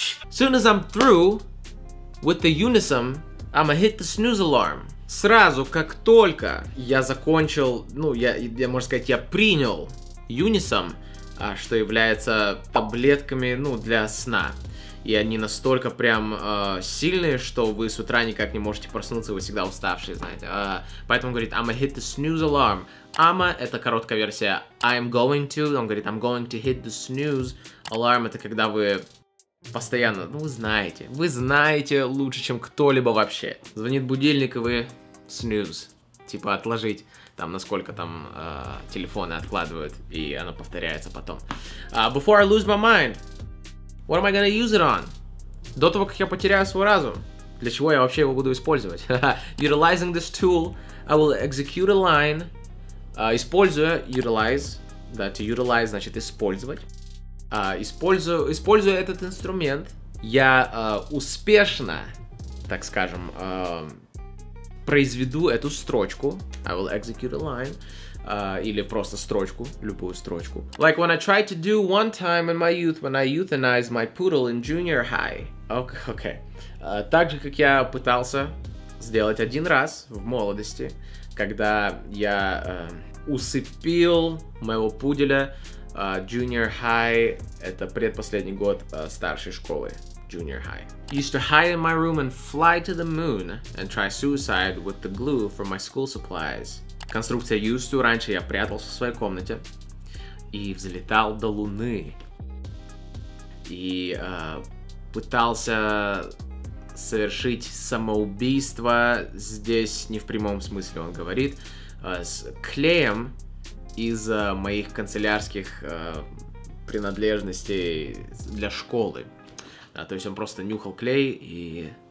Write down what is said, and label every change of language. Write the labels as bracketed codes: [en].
[en] Soon as I'm through with the unison, I'ma hit the snooze alarm. [ru] Сразу, как только я закончил, ну, я можно сказать, я принял unison, что является таблетками, ну, для сна. И они настолько прям сильные, что вы с утра никак не можете проснуться, вы всегда уставшие, знаете. Поэтому он говорит, [en] I'ma hit the snooze alarm. [ru] I'ma — это короткая версия [en] I'm going to. [ru] Он говорит, [en] I'm going to hit the snooze alarm. [ru] Это когда вы... Постоянно, ну вы знаете лучше, чем кто-либо вообще. Звонит будильник, и вы snooze, типа отложить, там, насколько там телефоны откладывают, и оно повторяется потом. [en] Before I lose my mind, what am I gonna use it on? [ru] До того, как я потеряю свой разум, для чего я вообще его буду использовать? [en] Utilizing this tool, I will execute a line, [ru] используя, [en] utilize, [ru] да, [en] to utilize [ru] значит использовать. Используя этот инструмент, я успешно, так скажем, произведу эту строчку. [en] I will execute a line. [ru] Или просто строчку, любую строчку. [en] Like when I tried to do one time in my youth, when I euthanized my poodle in junior high. Okay. [ru] Так же, как я пытался сделать 1 раз в молодости, когда я усыпил моего пуделя. Junior high — это предпоследний год старшей школы. [en] Junior high. Used to hide in my room and fly to the moon and try suicide with the glue from my school supplies. [ru] Конструкция [en] used to. [ru] Раньше я прятался в своей комнате и взлетал до луны. И пытался совершить самоубийство. Здесь не в прямом смысле он говорит. С клеем из моих канцелярских принадлежностей для школы. То есть он просто нюхал клей и